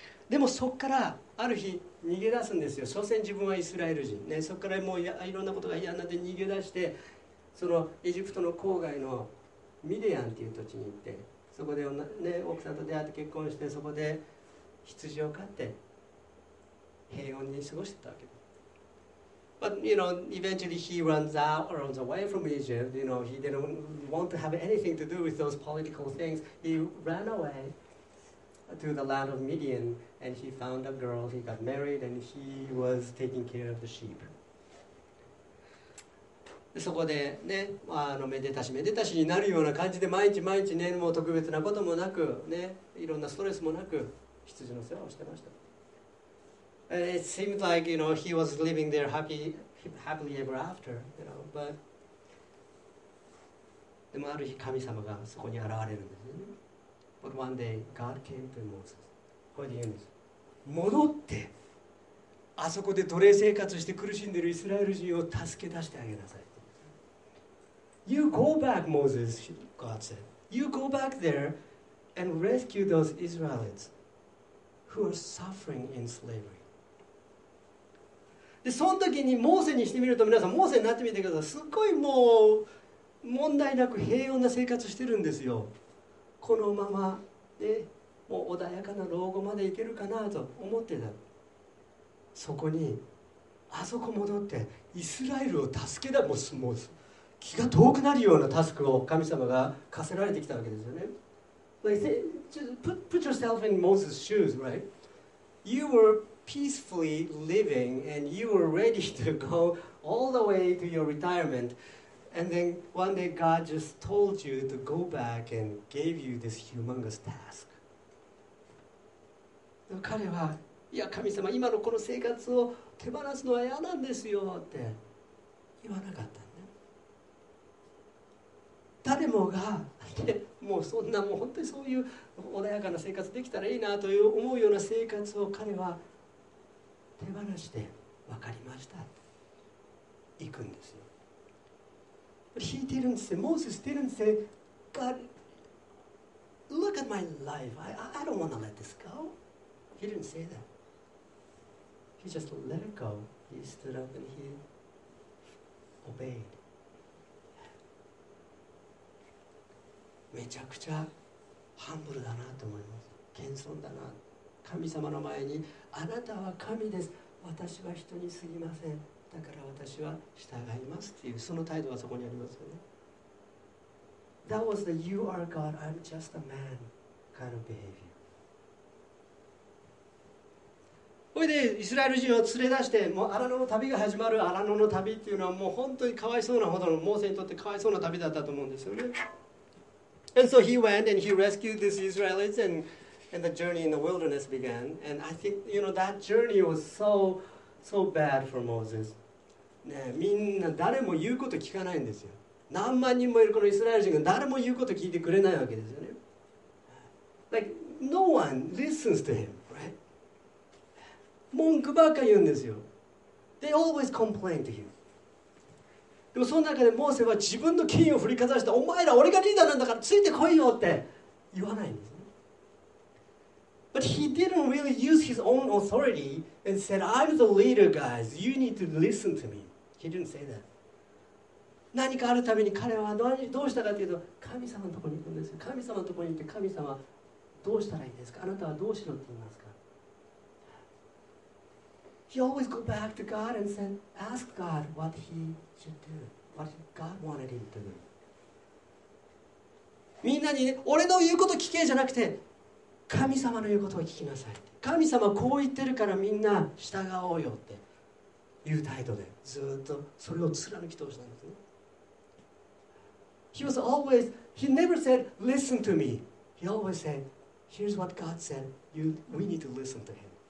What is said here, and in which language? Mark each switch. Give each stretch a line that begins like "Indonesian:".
Japanese: でもそこからある日逃げ出すんですよ。所詮自分はイスラエル人、ね、そこからもういろんなことが嫌になって逃げ出してそのエジプトの郊外のミディアンっていう土地に行ってそこで、ね、奥さんと出会って結婚してそこで羊を飼って平穏に過ごしてたわけ。
English: But you know, eventually he runs away from Egypt. You know, he didn't want to have anything to do with those political things. He ran away to the land of Midian and he found a girl, he got married and he was taking care of the sheep.
Japanese: そこでね、あのめでたしめでたしになるような感じで毎日毎日ね、もう特別なこともなくね、いろんなストレスもなく羊の世話をしてました。
English: And it seemed like, you know, he was living there happily ever after, you know, but
Japanese: でもある日神様がそこに現れるんですよね。
English: But one day, God came to Moses.
Japanese: これで言うんです。戻って、あそこで奴隷生活して苦しんでるイスラエル人を助け出してあげなさい。
English: You go back, Moses, God said. You go back there and rescue those Israelites who are suffering in slavery.
Japanese: で、その時にモーセにしてみると、皆さん、モーセになってみてください。すっごいもう問題なく平穏な生活してるんですよ。このまま、ね、もう穏やかな老後まで行けるかなと思ってた。そこに、あそこ戻ってイスラエルを助けた、モーセ。気が遠くなるようなタスクを神様が課せられてきたわけですよね。
English: Like, put yourself in Moses' shoes, right? You were peacefully living and you were ready to go all the way to your retirement. And then one day God just told you to go back and gave you this humongous task.
Japanese: 彼は、いや神様、今のこの生活を手放すのは嫌なんですよって言わなかった。誰もが、もうそんな、もう本当にそういう穏やかな生活できたらいいなという思うような生活を彼は手放して分かりました。行くんですよ。
English: He didn't say, Moses didn't say, God, look at my life. I don't want to let this go. He didn't say that. He just let it go. He stood up and he obeyed.
Japanese: めちゃくちゃハンブルだなと思います。謙遜だな。神様の前にあなたは神です、私は人に過ぎません、だから私は従いますっていう、その態度はそこにありますよね。
English: That was the you are God, I'm just a man kind of behavior.
Japanese: それでイスラエル人を連れ出してもう荒野の旅が始まる。荒野の旅っていうのはもう本当にかわいそうなほどの、モーセにとってかわいそうな旅だったと思うんですよね。
English: And so he went and he rescued these Israelites and the journey in the wilderness began. And I think, you know, that journey was so, so bad for Moses.
Japanese: ね、みんな誰も言うこと聞かないんですよ。何万人もいるこのイスラエル人が誰も言うこと聞いてくれないわけですよね。
English: Like, no one listens to him, right?
Japanese: 文句ばっか言うんですよ。
English: They always complain to him.
Japanese: でもその中でモーセは自分の権威を振りかざして、お前ら俺がリーダーなんだからついてこいよって言わないんですね。
English: But he didn't really use his own authority and said, I'm the leader, guys. You need to listen to me. He didn't say that.
Japanese: 何かあるために彼はどうしたかというと、神様のところに行くんですよ。神様のところに行って、神様どうしたらいいですか、あなたはどうしろって言いますか。
English: He always go back to God and said, ask God what he should do, what God wanted him to do.
Japanese: みんなに、ね、俺の言うこと聞けじゃなくて、神様の言うことを聞きなさい。神様こう言ってるからみんな従おうよっていう態度で、ずっとそれを貫き通したんですね。
English: He was always, he never said, listen to me. He always said, here's what God said, we need to listen to him.